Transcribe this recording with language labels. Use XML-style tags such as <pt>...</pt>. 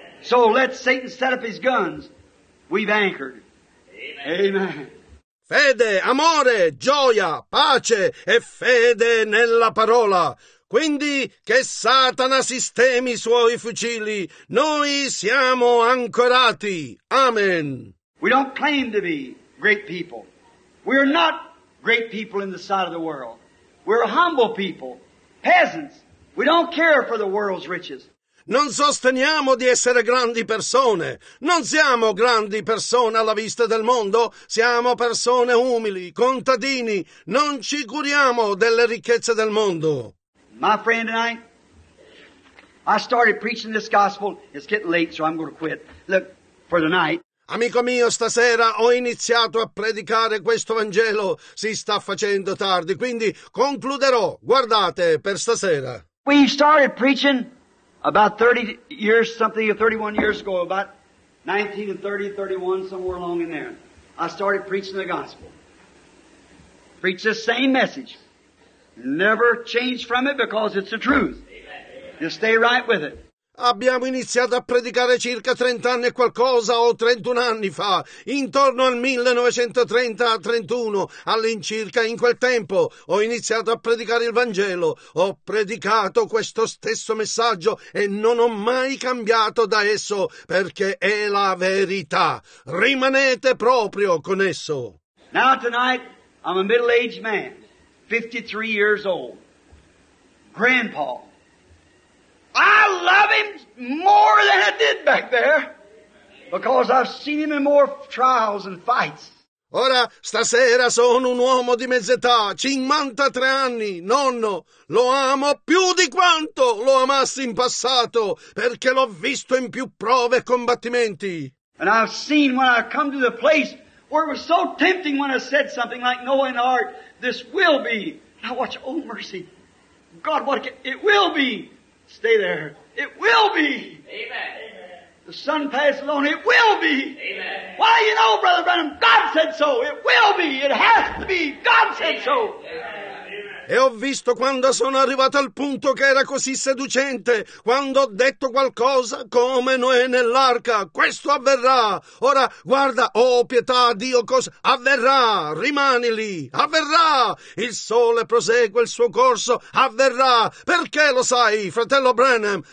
<en>So let Satan set up his guns. We've anchored. Amen. Amen.</en> <it>Fede, amore, gioia, pace e fede nella parola. Quindi che Satana sistemi i suoi fucili, noi siamo ancorati. Amen.</it> <en>We don't claim to be great people. We are not great people in the sight of the world. We're humble people, peasants. We don't care for the world's riches.</en> <it>Non sosteniamo di essere grandi persone. Non siamo grandi persone alla vista del mondo. Siamo persone umili, contadini. Non ci curiamo delle ricchezze del mondo.</it> <en>My friend and I started preaching this gospel. It's getting late, so I'm going to quit. Look, for tonight.</en> <it>Amico mio, stasera ho iniziato a predicare questo Vangelo. Si sta facendo tardi, quindi concluderò. Guardate per stasera.</it> <en>We started preaching about 30 years, something, 31 years ago, about 1930, 31, somewhere along in there. I started preaching the gospel. Preached the same message. Never changed from it because it's the truth. Just stay right with it.</en> <it>Abbiamo iniziato a predicare circa 30 anni e qualcosa, o 31 anni fa, intorno al 1930-31, all'incirca in quel tempo, ho iniziato a predicare il Vangelo, ho predicato questo stesso messaggio e non ho mai cambiato da esso, perché è la verità. Rimanete proprio con esso.</it> <en>Now tonight, I'm a middle-aged man, 53 years old, grandpa. I love him more than I did back there because I've seen him in more trials and fights.</en> <it>Ora stasera sono un uomo di mezz'età, 53 anni, nonno. Lo amo più di quanto lo amassi in passato perché l'ho visto in più prove e combattimenti.</it> <en>And I've seen when I come to the place where it was so tempting when I said something like, no, in heart, this will be. Now watch, oh mercy, God, what it will be. Stay there. It will be. Amen. The sun passes on. It will be. Amen. Why, you know, Brother Branham, God said so. It will be. It has to be. God said Amen. So. Amen.</en> <it>E ho visto quando sono arrivato al punto che era così seducente, quando ho detto qualcosa come Noè nell'arca, questo avverrà. Ora guarda, oh pietà, Dio, cosa avverrà, rimani lì, avverrà. Il sole prosegue il suo corso, avverrà. Perché lo sai, fratello Branham?</it>